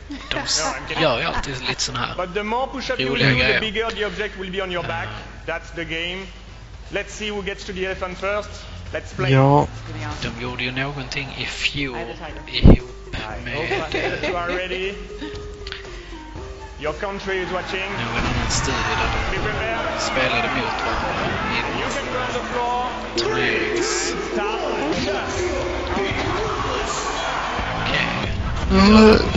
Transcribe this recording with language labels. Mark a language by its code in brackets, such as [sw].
[sv] De gör ju alltid lite sådana här roliga grejer. [en] The bigger the object will be on your back. That's the game. Let's see who gets to the elephant first. Let's play. [sv] Ja. De gjorde ju någonting i fjol ihop med... [en] Your country is watching. [sv] Nu är någon studie där de spelade mot varandra i turneringens